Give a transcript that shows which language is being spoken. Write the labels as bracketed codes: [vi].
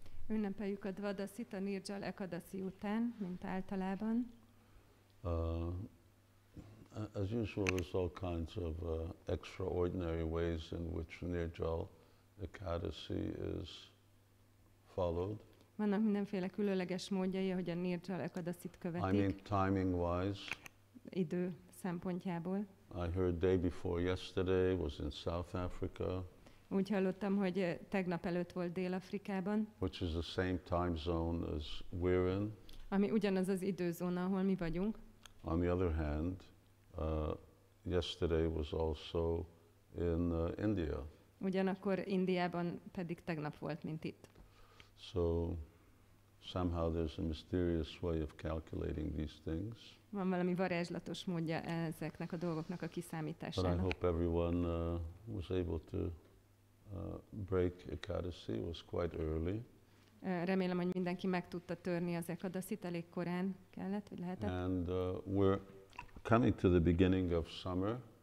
[hu] Ünnepeljük a Dvadasit a Nirjal Ekadasi után, mint általában. [en] As usual, there's all kinds of extraordinary ways in which Nirjal Ekadasi is followed. [hu] Vannak mindenféle különleges módjai, hogy a Nirjal Ekadasit követik. [en] I mean, timing wise. [hu] Idő szempontjából. [en] I heard day before yesterday was in South Africa. [hu] Úgy hallottam, hogy tegnap előtt volt Dél-Afrikában. [en] Which is the same time zone as we're in. [hu] Ami ugyanaz az időzóna, ahol mi vagyunk. [en] On the other hand, yesterday was also in India. [hu] Ugyanakkor Indiában pedig tegnap volt, mint itt. [en] So somehow there's a mysterious way of calculating these things. [hu] Van valami varázslatos módja ezeknek a dolgoknak a kiszámításának. [en] But I hope everyone was able to break Ekadasi. It was quite early. [hu] Remélem, hogy mindenki meg tudta törni az Ekadasit, elég korán kellett, vagy lehetett. [en] And we're coming to the beginning of summer.